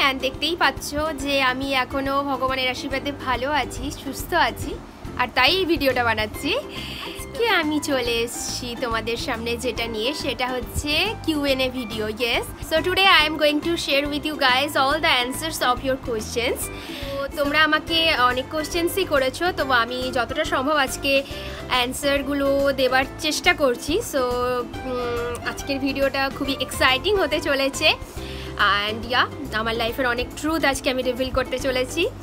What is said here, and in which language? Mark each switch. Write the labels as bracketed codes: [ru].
[bn] And দেখতেই পাচ্ছো যে আমি এখনো ভগবানের আশীর্বাদে ভালো আছি, সুস্থ আছি, আর তাই ভিডিওটা বানাচ্ছি। আজকে আমি চলে এসেছি তোমাদের সামনে যেটা নিয়ে, সেটা হচ্ছে Q&A video. [en] Yes, so today I am going to share with you guys all the answers of your questions. [bn] তোমরা আমাকে অনেক কোশ্চেন্সই করেছো, তো আমি যতটা সম্ভব আজকে অ্যান্সারগুলো দেবার চেষ্টা করছি। সো আজকের ভিডিওটা খুবই এক্সাইটিং হতে চলেছে, অ্যান্ড ইয়া, আমার লাইফের অনেক ট্রুথ আজকে আমি রিভিল করতে চলেছি।